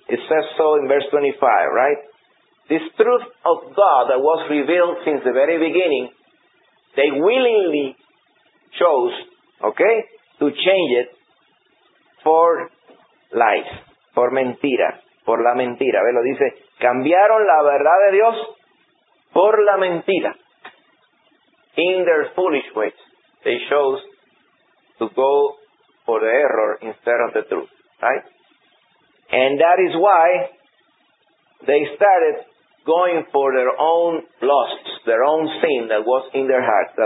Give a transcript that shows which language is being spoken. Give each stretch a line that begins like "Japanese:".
English: It says so in verse 25, right? This truth of God that was revealed since the very beginning, they willingly chose, okay, to change it for lies, for mentira,
Spanish: por la mentira. Ve, lo dice, cambiaron la verdad de Dios por la mentira.
English: In their foolish ways, they chose to go for the error instead of the truth, right? And that is why they started going for their own lusts, their own sin that was in their hearts.